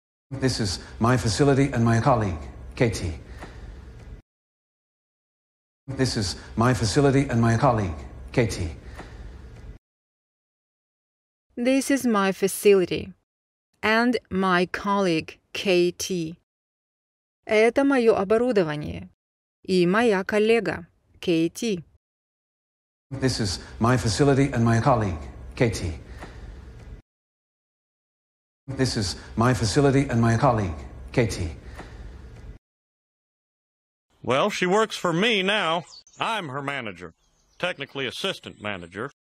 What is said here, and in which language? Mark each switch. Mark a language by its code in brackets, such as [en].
[en] This is my facility and my colleague, Katie. This is my facility and my colleague, Katie. This is my facility and my colleague, Katie. [ru] Это мое оборудование и моя коллега, Katie. [en] This is my facility and my colleague, Katie. This is my facility and my colleague, Katie. Well, she works for me now. I'm her manager. Technically assistant manager.